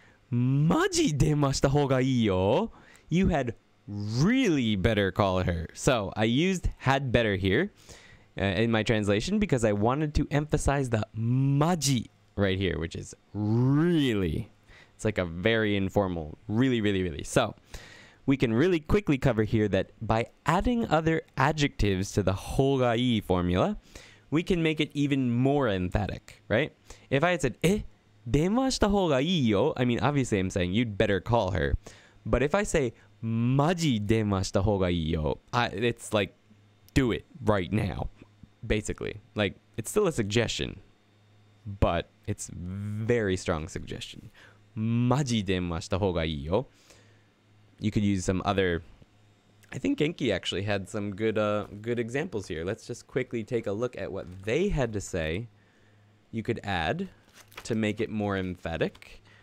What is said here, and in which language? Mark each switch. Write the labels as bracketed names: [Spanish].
[Japanese] マジ電話した方がいいよ. [English] You had really better call her. So I used had better here in my translation because I wanted to emphasize the マジ right here, which is really. It's like a very informal, really, really, really. So we can really quickly cover here that by adding other adjectives to the 方がいい formula, we can make it even more emphatic, right? If I had said, eh? [Japanese] 電話した方がいいよ. [English] I mean, obviously I'm saying you'd better call her. But if I say, [Japanese] マジ電話した方がいいよ, [English] it's like, do it right now, basically. Like, it's still a suggestion, but it's very strong suggestion. [Japanese] マジ電話した方がいいよ. [English] You could use some other, I think Genki actually had some good examples here. Let's just quickly take a look at what they had to say. You could add to make it more emphatic.